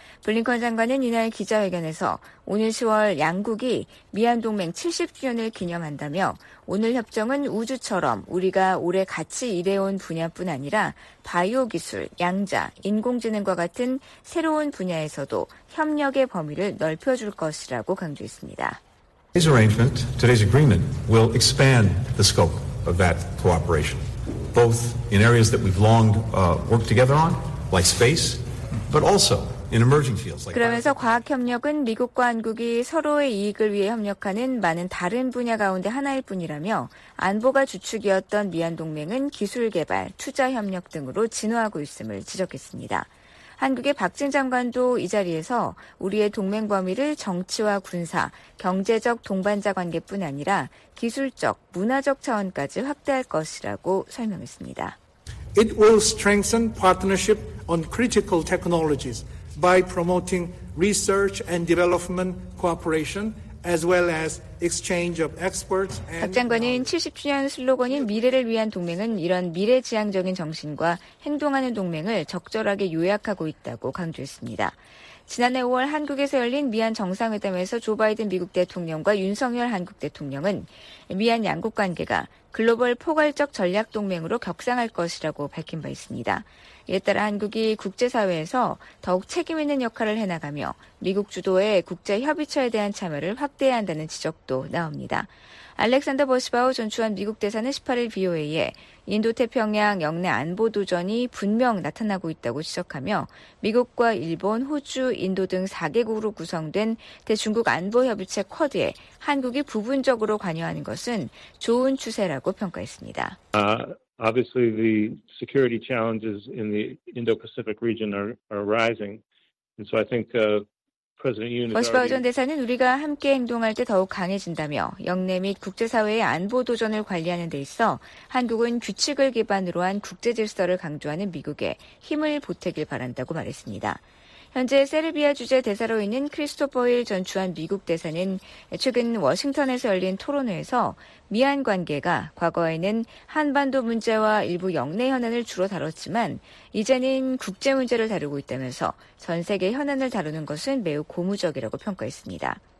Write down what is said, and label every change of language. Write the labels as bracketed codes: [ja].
[ko] 블링컨 장관은 이날 기자회견에서 오는 10월 양국이 미한동맹 70주년을 기념한다며 오늘 협정은 우주처럼 우리가 오래 같이 일해온 분야뿐 아니라 바이오기술, 양자, 인공지능과 같은 새로운 분야에서도 협력의 범위를 넓혀줄 것이라고 강조했습니다. [en] Today's arrangement, today's agreement will expand the scope of that cooperation, both in areas that we've long worked together on, like space, but also in emerging fields like [ko] 그러면서 과학협력은 미국과 한국이 서로의 이익을 위해 협력하는 많은 다른 분야 가운데 하나일 뿐이라며 안보가 주축이었던 미한동맹은 기술개발, 투자협력 등으로 진화하고 있음을 지적했습니다. 한국의 박진 장관도 이 자리에서 우리의 동맹 범위를 정치와 군사, 경제적 동반자 관계뿐 아니라 기술적, 문화적 차원까지 확대할 것이라고 설명했습니다. [en] It will strengthen partnership on critical technologies by promoting research and development cooperation as well as exchange of experts and [ko] 박 장관은 70주년 슬로건인 미래를 위한 동맹은 이런 미래지향적인 정신과 행동하는 동맹을 적절하게 요약하고 있다고 강조했습니다. 지난해 5월 한국에서 열린 미한 정상회담에서 조 바이든 미국 대통령과 윤석열 한국 대통령은 미한 양국 관계가 글로벌 포괄적 전략 동맹으로 격상할 것이라고 밝힌 바 있습니다. 이에 따라 한국이 국제사회에서 더욱 책임 있는 역할을 해나가며 미국 주도의 국제협의처에 대한 참여를 확대해야 한다는 지적도 나옵니다. 알렉산더 버시바우 전 주한 미국 대사는 18일 VOA에 인도태평양 역내 안보 도전이 분명 나타나고 있다고 지적하며 미국과 일본, 호주, 인도 등 4개국으로 구성된 대중국 안보협의체 쿼드에 한국이 부분적으로 관여하는 것은 좋은 추세라고 평가했습니다. [en] Obviously, the security challenges in the Indo-Pacific region are rising. And so I think President Yoon is [ko] 버시바우 전 대사는 우리가 함께 행동할 때 더욱 강해진다며 역내 및 국제사회의 안보 도전을 관리하는 데 있어 한국은 규칙을 기반으로 한 국제 질서를 강조하는 미국에 힘을 보태길 바란다고 말했습니다. 현재 세르비아 주재 대사로 있는 크리스토퍼 힐 전 주한 미국 대사는 최근 워싱턴에서 열린 토론회에서 미한 관계가 과거에는 한반도 문제와 일부 영내 현안을 주로 다뤘지만 이제는 국제 문제를 다루고 있다면서 전 세계 현안을 다루는 것은 매우 고무적이라고 평가했습니다.